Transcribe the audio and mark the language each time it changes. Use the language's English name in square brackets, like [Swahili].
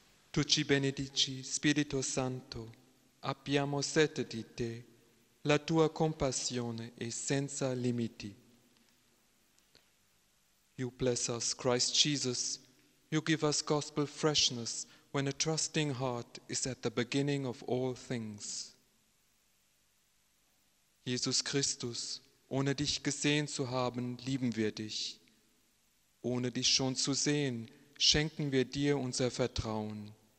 [Italian] Tu ci benedici, Spirito Santo, abbiamo sete di te, la tua compassione è senza limiti. [English] You bless us, Christ Jesus, you give us gospel freshness when a trusting heart is at the beginning of all things. [German] Jesus Christus, ohne dich gesehen zu haben, lieben wir dich. Ohne dich schon zu sehen, schenken wir dir unser Vertrauen.